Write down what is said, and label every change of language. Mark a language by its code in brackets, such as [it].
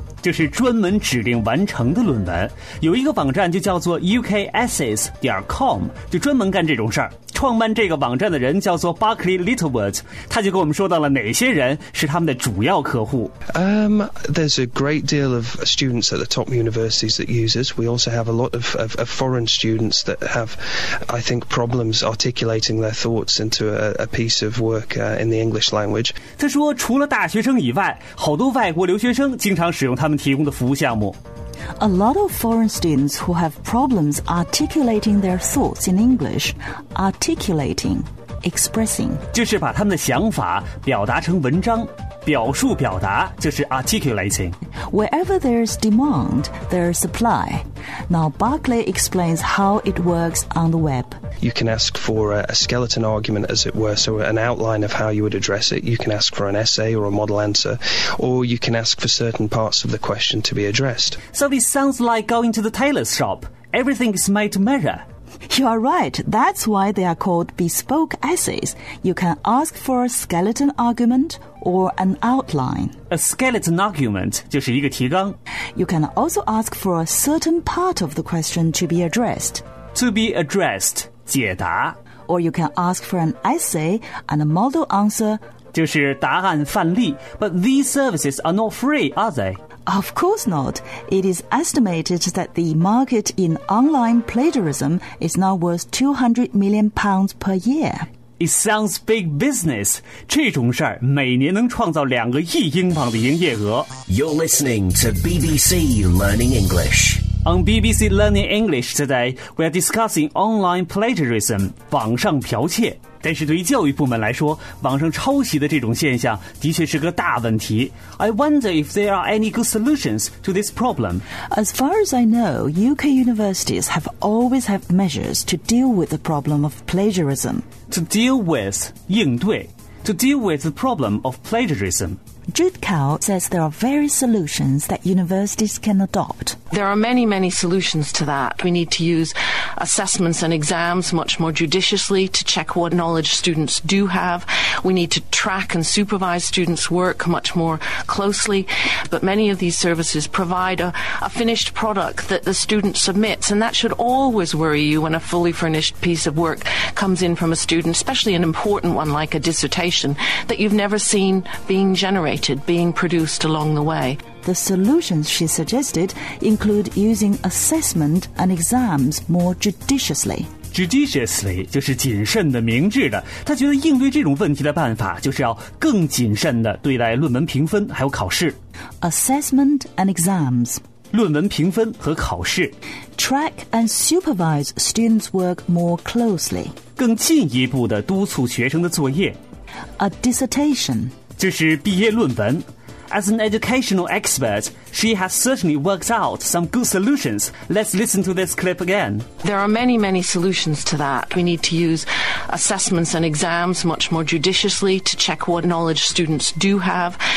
[zh] 就是专门指定完成的论文。有一个网站就叫做 ukessays.com, 就专门干这种事儿。创办这个网站的人叫做 Barclay Littlewood, 他就跟我们说到了哪些人是他们的主要客户。 [en] There's a great deal of students at the top universities that use this. We also have a lot of foreign students that have, I think, problems articulating their thoughts into a piece of work in the English language. [zh] 他说除了大学生以外，好多外国留学生经常使用他们提供的服务项目。 [en] A lot of foreign students who have problems articulating their thoughts in English, articulating, expressing. [zh] 就是把他们的想法表达成文章，表述表达就是 articulating. [en] Wherever there's demand, there's supply. Now Barclay explains how it works on the web. You can ask for a skeleton argument, as it were, so an outline of how you would address it. You can ask for an essay or a model answer, or you can ask for certain parts of the question to be addressed. So this sounds like going to the tailor's shop. Everything is made to measure. You are right. That's why they are called bespoke essays. You can ask for a skeleton argument or an outline. A skeleton argument [zh] 就是一个提纲。 [en] You can also ask for a certain part of the question to be addressed. To be addressed, [zh] 解答。 [en] Or you can ask for an essay and a model answer. [zh] 就是答案范例。 [en] But these services are not free, are they? Of course not. It is estimated that the market in online plagiarism is now worth £200 million per year. It sounds big business. [zh] 这种事儿每年能创造2亿英镑的营业额。 [en] You're listening to BBC Learning English. On BBC Learning English today, we are discussing online plagiarism, [zh] 网上剽窃。但是对于教育部门来说，网上抄袭的这种现象的确是个大问题。 [en] I wonder if there are any good solutions to this problem. As far as I know, UK universities have always had measures to deal with the problem of plagiarism. To deal with, [zh] 应对。 [en] To deal with the problem of plagiarism. Jude Cow says there are various solutions that universities can adopt. There are many, many solutions to that. We need to use assessments and exams much more judiciously to check what knowledge students do have. We need to track and supervise students' work much more closely. But many of these services provide a finished product that the student submits, and that should always worry you when a fully furnished piece of work comes in from a student, especially an important one like a dissertation, that you've never seen being generated. Being produced along the way. The solutions she suggested include using assessment and exams more judiciously. [zh] Judiciously 就是谨慎的、明智的。她觉得应对这种问题的办法就是要更谨慎的对待论文评分还有考试。 [en] Assessment and exams. [zh] 论文评分和考试。 [en] Track and supervise students' work more closely. [zh] 更进一步的督促学生的作业。 [en] A dissertation. [zh] 就是毕业论文 [en] As an educational expert, she has certainly worked out some good solutions. Let's listen to this clip again. There are many, many solutions to that. We need to use assessments and exams much more judiciously to check what knowledge students do have.